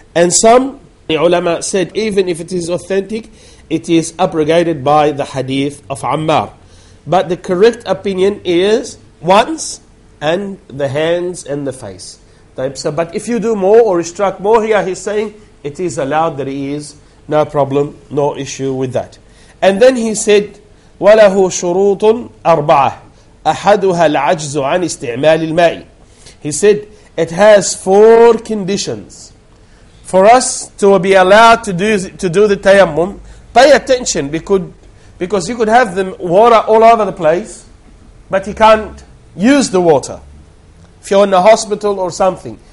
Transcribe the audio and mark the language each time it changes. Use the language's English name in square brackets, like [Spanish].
[English] And some, the ulama said, even if it is authentic, it is abrogated by the hadith of Ammar. But the correct opinion is once and the hands and the face. But if you do more or strike more, here he's saying it is allowed, there is no problem, no issue with that. And then he said, [Arabic] وَلَهُ شُرُوطٌ أَرْبَعَةٌ أَحَدُهَا الْعَجْزُ عَنِ اسْتِعْمَالِ الْمَاءِ. [English] He said, it has four conditions for us to be allowed to do the tayammum. Pay attention, because you could have the water all over the place, but you can't use the water if you're in a hospital or something.